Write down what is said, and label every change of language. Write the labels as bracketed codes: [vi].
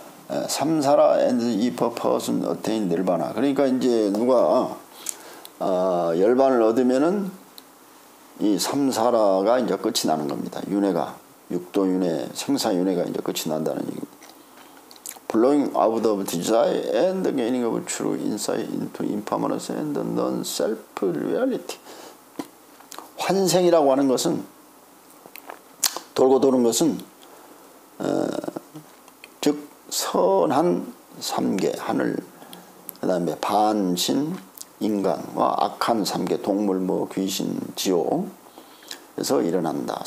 [en] 에, 삼사라 and the purpose은 attain nirvana. [ko] 그러니까 이제 누가 열반을 얻으면은 이 삼사라가 이제 끝이 나는 겁니다. 윤회가 육도 윤회, 생사 윤회가 이제 끝이 난다는 얘기. [en] Blowing out of desire and gaining of true insight into impermanence and non-self reality. [ko] 환생이라고 하는 것은 돌고 도는 것은 즉 선한 삼계 하늘 그다음에 반신 인간과 악한 삼계 동물 뭐 귀신 지옥에서 일어난다.